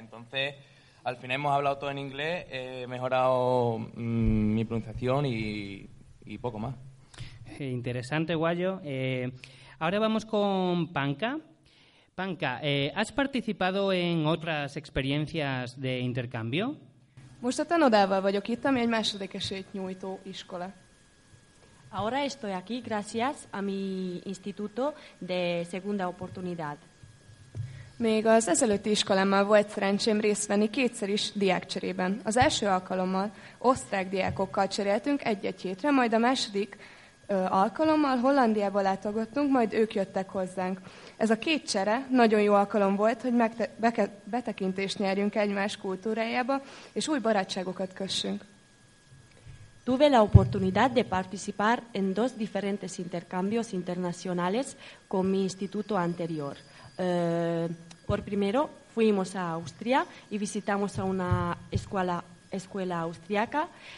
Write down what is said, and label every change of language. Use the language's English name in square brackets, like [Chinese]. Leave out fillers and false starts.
[Spanish] Entonces, al final hemos hablado todo en inglés, he mejorado mi pronunciación y poco más. Interesante, Guayo. Ahora vamos con Panca. Panca, ¿has participado en otras experiencias de intercambio? [Hungarian] Most a Tanodával vagyok itt, ami egy második esélyt nyújtó iskola. [Spanish] Ahora estoy aquí gracias a mi instituto de segunda oportunidad. [Hungarian] Még az ezelőtti iskolámmal volt szerencsém részt venni 2-szer is diákcserében. Az első alkalommal osztrák diákokkal cseréltünk 1-1 hétre, majd a második alkalommal Hollandiába látogattunk, majd ők jöttek hozzánk. Ez a 2 csere nagyon jó alkalom volt, hogy betekintést nyerjünk egymás kultúrájába, és új barátságokat kössünk. [Spanish] Tuve la oportunidad de participar en 2 diferentes intercambios internacionales con mi instituto anterior. Por primero, fuimos a Austria y visitamos a una escuela austriaca.